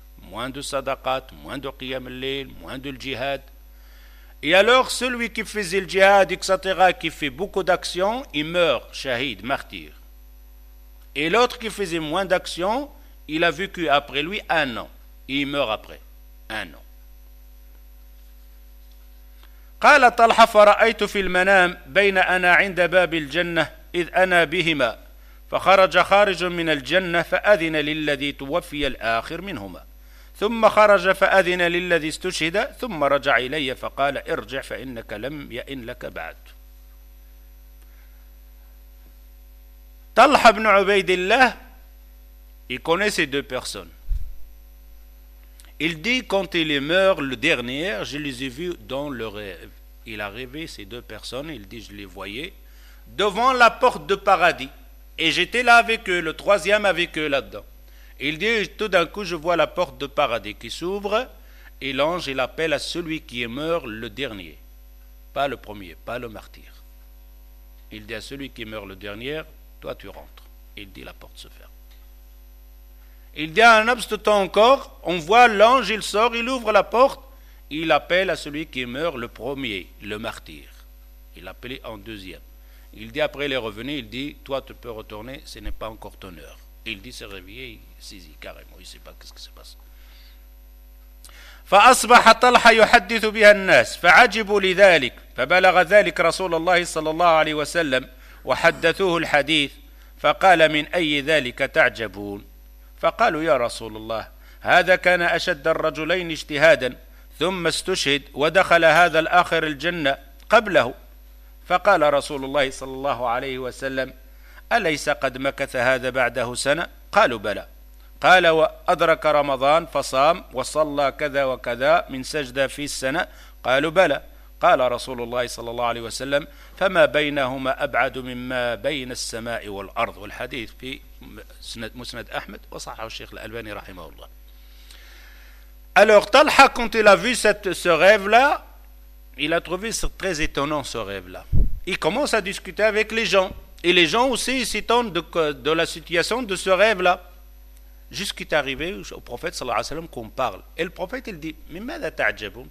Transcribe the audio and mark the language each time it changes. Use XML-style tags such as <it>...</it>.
<fr>Moins de sadaqat, moins de qiyam al-lil, moins de jihad. Et alors, celui qui faisait le djihad, etc., qui fait beaucoup d'actions, il meurt, shahid, martyr. Et l'autre qui faisait moins d'actions, il a vécu après lui un an. Et il meurt après. Un an.</fr> <ar>قال طلحة فرأيت في المنام بين أنا عند باب الجنة إذ أنا بهما فخرج خارج من الجنة فأذن للذي توفي الآخر منهما ثم خرج فأذن للذي استشهد ثم رجع إلي فقال ارجع فإنك لم يئن لك بعد.</ar> <fr>طلحة بن عبيد الله يكوني سي دو بيرسون. Il dit quand il est mort le dernier, je les ai vus dans le rêve. Il a rêvé ces deux personnes, il dit je les voyais devant la porte de paradis et j'étais là avec eux, le troisième avec eux là-dedans. Il dit, tout d'un coup, je vois la porte de paradis qui s'ouvre et l'ange, il appelle à celui qui est mort le dernier. Pas le premier, pas le martyr. Il dit à celui qui meurt le dernier, toi tu rentres. Il dit, la porte se ferme. Il dit, un laps de temps encore, on voit l'ange, il sort, il ouvre la porte, il appelle à celui qui meurt le premier, le martyr. Il appelle en deuxième. Il dit, après il est revenu, il dit, toi tu peux retourner, ce n'est pas encore ton heure. Il dit, se réveiller, il saisit carrément, il ne sait pas ce qui se passe.</fr> <ar>فأصبح طلحة يحدث بها الناس فعجبوا لذلك فبلغ ذلك رسول الله صلى الله عليه وسلم وحدثوه الحديث فقال من أي ذلك تعجبون فقالوا يا رسول الله هذا كان أشد الرجلين اجتهادا ثم استشهد ودخل هذا الآخر الجنة قبله فقال رسول الله صلى الله عليه وسلم أليس قد مكث هذا بعده سنة؟ قالوا بلى. قال وأدرك رمضان فصام وصلى كذا وكذا من سجدة في السنة؟ قالوا بلى. قال رسول الله صلى الله عليه وسلم فما بينهما أبعد مما بين السماء والأرض. والحديث في مسند أحمد وصححه الشيخ الألباني رحمه الله.</ar> <fr>Alors Talha, quand il a vu ce rêve-là, il a trouvé très étonnant ce rêve-là. Il commence à discuter avec les gens. Et les gens aussi s'étonnent de la situation de ce rêve-là. Jusqu'il est arrivé au prophète, sallallahu alayhi wa sallam, qu'on parle. Et le prophète, il dit, mais</fr> <ar>ماذا تعجبون?</ar>